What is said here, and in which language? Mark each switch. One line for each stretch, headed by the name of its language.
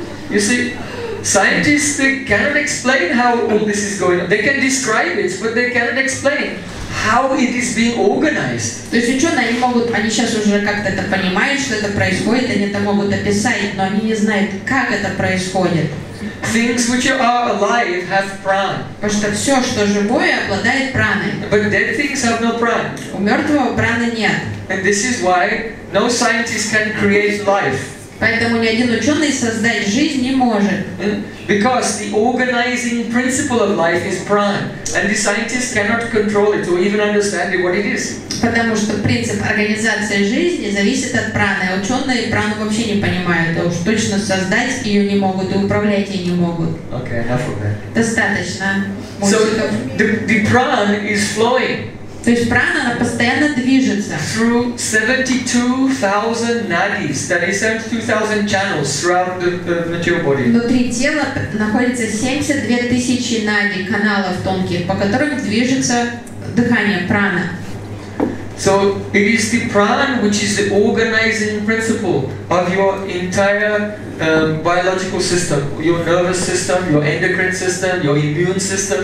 English: You see, scientists, they cannot explain how all this is going on. They can describe it, but they cannot explain how it is being organized.
Russian: То есть ученые, они могут, они сейчас уже как-то это понимают, что это происходит, они это могут описать, но они не знают, как это происходит.
English: Things which are alive have prana.
Russian: Потому что все, что живое, обладает праной.
English: But dead things have no prana.
Russian: У мертвого праны нет.
English: And this is why no scientist can create life.
Russian: Поэтому ни один ученый создать жизнь не может.
English: Because the organizing principle of life is prana, and the scientist cannot control it or even understand it, what it is.
Russian: Потому что принцип организации жизни зависит от праны. Ученые прану вообще не понимают. А уж точно создать ее не могут, и управлять ей не могут.
English: Okay, enough of that.
Russian: Достаточно.
English: So the prana is flowing.
Russian: То есть прана, она постоянно движется.
English: Through 72,000 nadis, that is 72,000 channels throughout the material body.
Russian: Внутри тела находится 72,000 нади, каналов тонких, по которым движется дыхание, прана.
English: So it is the prana which is the organizing principle of your entire biological system, your nervous system, your endocrine system, your immune system.